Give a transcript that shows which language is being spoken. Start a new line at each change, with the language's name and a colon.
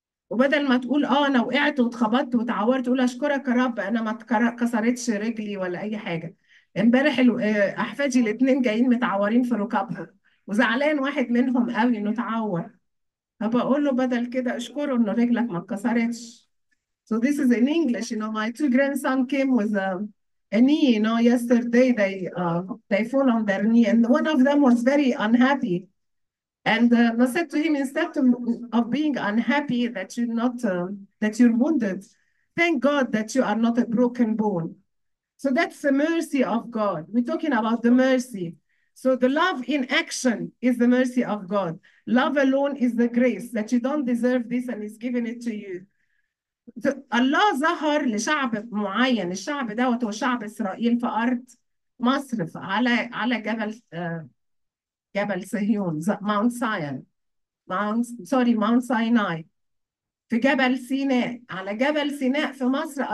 Arabic: وبدل ما تقول انا وقعت واتخبطت وتعورت، تقول اشكرك يا رب انا ما كسرتش رجلي ولا اي حاجة. امبارح احفادي الاثنين جايين متعورين في ركبهم، وزعلان واحد منهم قوي انه اتعور. فبقول له بدل كده اشكره انه رجلك ما اتكسرتش.
English: So this is in English. You know, my two grandson came with a knee. You know, yesterday they fall on their knee, and one of them was very unhappy. And I said to him, instead of being unhappy that you're not that you're wounded, thank God that you are not a broken bone. So that's the mercy of God. We're talking about the mercy. So the love in action is the mercy of God. Love alone is the grace that you don't deserve this, and He's giving it to you. So Allah
Arabic: ظهر لشعب معين. الشعب ده هو شعب إسرائيل في أرض مصر على جبل صهيون, ماونت ساين, ماونت سوري ماونت سيناي, في جبل سيناء, على جبل سيناء في مصر.